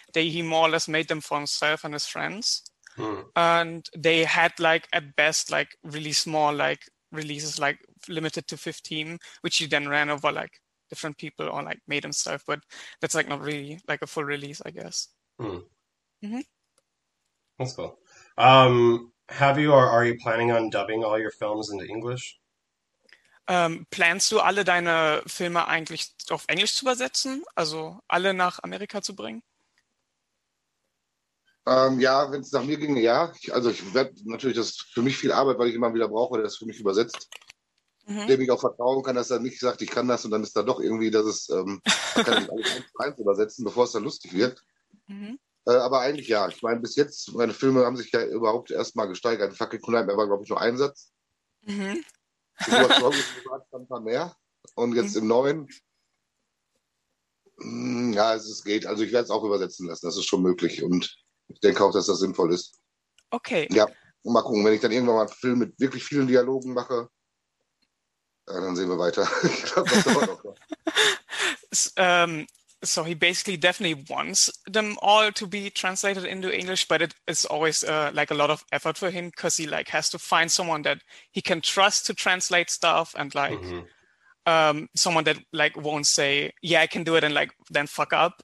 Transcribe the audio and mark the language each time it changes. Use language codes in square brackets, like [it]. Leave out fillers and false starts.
[en] He more or less made them for himself and his friends, and they had like at best like really small like releases, like limited to 15, which he then ran over like different people or like made himself, but that's like not really like a full release, I guess. That's cool. Have you or are you planning on dubbing all your films into English? [de] Planst du alle deine Filme eigentlich auf Englisch zu übersetzen, also alle nach Amerika zu bringen? Ja, wenn es nach mir ginge, ja. Also ich werde natürlich, das ist für mich viel Arbeit, weil ich immer wieder brauche, der das für mich übersetzt. Dem ich auch vertrauen kann, dass er nicht sagt, ich kann das und dann ist da doch irgendwie, dass es, da kann er nicht alles eins zu eins übersetzen, bevor es dann lustig wird. Aber eigentlich ja, ich meine, bis jetzt, meine Filme haben sich ja überhaupt erstmal gesteigert. Fucking Cool Nightmare war, glaube ich, nur ein Satz. In What's Wrong with You war es dann ein paar mehr. Und jetzt im neuen, ja, es geht. Also ich werde es auch übersetzen lassen, das ist schon möglich. Und ich denke auch, dass das sinnvoll ist. Okay. Ja, mal gucken, wenn ich dann irgendwann mal einen Film mit wirklich vielen Dialogen mache, dann sehen wir weiter. Ich glaube, das dauert auch noch. [en] So he basically definitely wants them all to be translated into English, but it is always like a lot of effort for him because he like has to find someone that he can trust to translate stuff and like someone that like won't say, yeah, I can do it, and like then fuck up